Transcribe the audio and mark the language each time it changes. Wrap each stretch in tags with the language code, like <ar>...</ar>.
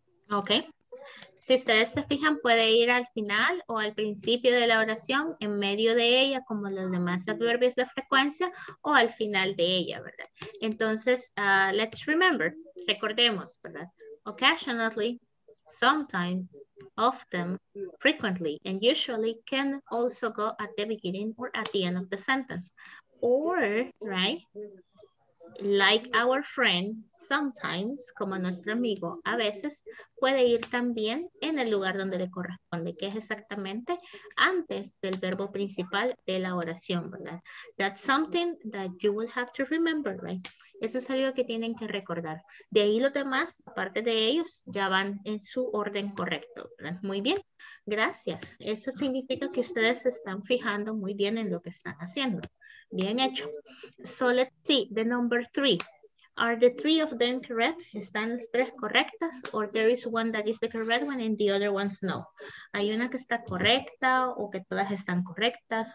<es>Ok. Si ustedes se fijan, puede ir al final o al principio de la oración, en medio de ella, como los demás adverbios de frecuencia, o al final de ella, ¿verdad? Entonces,</es> <en>let's remember,</en> <es>recordemos, ¿verdad?</es> <en>Occasionally, sometimes, often, frequently, and usually can also go at the beginning or at the end of the sentence. Or, right? Like our friend, sometimes,</en> <es>como nuestro amigo, a veces, puede ir también en el lugar donde le corresponde, que es exactamente antes del verbo principal de la oración, ¿verdad?</es> <en>That's something that you will have to remember, right?</en> <es>Eso es algo que tienen que recordar. De ahí los demás, aparte de ellos, ya van en su orden correcto, ¿verdad? Muy bien, gracias. Eso significa que ustedes se están fijando muy bien en lo que están haciendo. Bien hecho.</es> <en>So let's see the number three. Are the three of them correct?</en> <es>¿Están las tres correctas?</es> <en>Or there is one that is the correct one and the other ones no.</en> <es>¿Hay una que está correcta o que todas están correctas?</es>